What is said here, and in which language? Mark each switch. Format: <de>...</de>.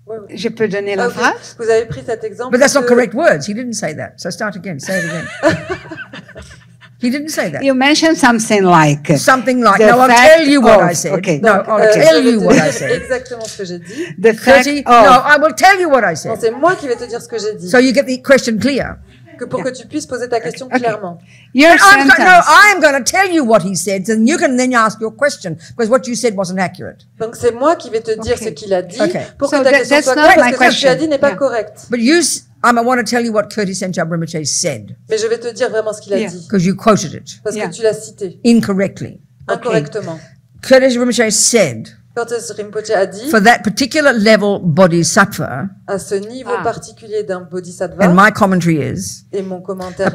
<fr>Je peux donner la phrase. Vous avez pris cet exemple.</fr> <en>But that's not correct words. He didn't say that. So start again. Say it again. He didn't say that. You mentioned something like. Something like. No, I'll tell you what I said. Okay. No, I'll tell you what I said.</en> <fr>Exactement ce que j'ai dit.</fr> <en>The fact. No, I will tell you what I said.</en> <fr>Non, c'est moi qui vais te dire ce que j'ai dit.</fr> <en>So you get the question clear.</en> <fr>Que pour que tu puisses poser ta question clairement.</fr> <en>Your sentence. No, I'm going to tell you what he said, and you can then ask your question because what you said wasn't accurate.</en> <fr>Donc c'est moi qui vais te dire ce qu'il a dit pour que ta question soit correcte, parce que ce que tu as dit n'est pas correct.</fr> <en>But you. I want to tell you what Kirti Senchab Rinpoche said.</en> <fr>Mais je vais te dire vraiment ce qu'il a dit.</fr> <en>Because you quoted it.</en> <fr>Parce que tu l'as cité.</fr> <en>Incorrectly.</en> <fr>Incorrectement.</fr> <en>Kirti Rinpoche said.</en> <fr>Kirti Rinpoche a dit.</fr> <en>For that particular level bodhisattva.</en> <fr>À ce niveau particulier d'un bodhisattva.</fr> <en>And my commentary is.</en> <fr>Et mon commentaire est.</fr>